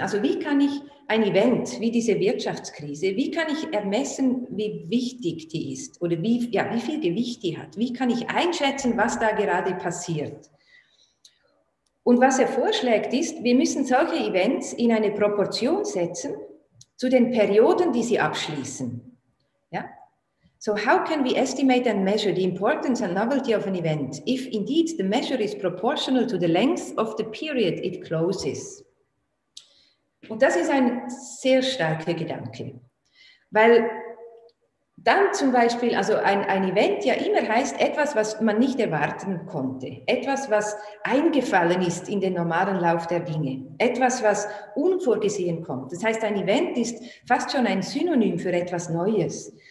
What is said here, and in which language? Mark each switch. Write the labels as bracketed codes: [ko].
[de] Also wie kann ich ein Event wie diese Wirtschaftskrise, wie kann ich ermessen, wie wichtig die ist oder wie viel Gewicht die hat? Wie kann ich einschätzen, was da gerade passiert? Und was er vorschlägt ist, wir müssen solche Events in eine Proportion setzen zu den Perioden, die sie abschließen. Ja? [en] So how can we estimate and measure the importance and novelty of an event if indeed the measure is proportional to the length of the period it closes? [de] Und das ist ein sehr starker Gedanke, weil Dann zum Beispiel, also ein Event ja immer heißt etwas, was man nicht erwarten konnte. Etwas, was eingefallen ist in den normalen Lauf der Dinge. Etwas, was unvorgesehen kommt. Das heißt, ein Event ist fast schon ein Synonym für etwas Neues.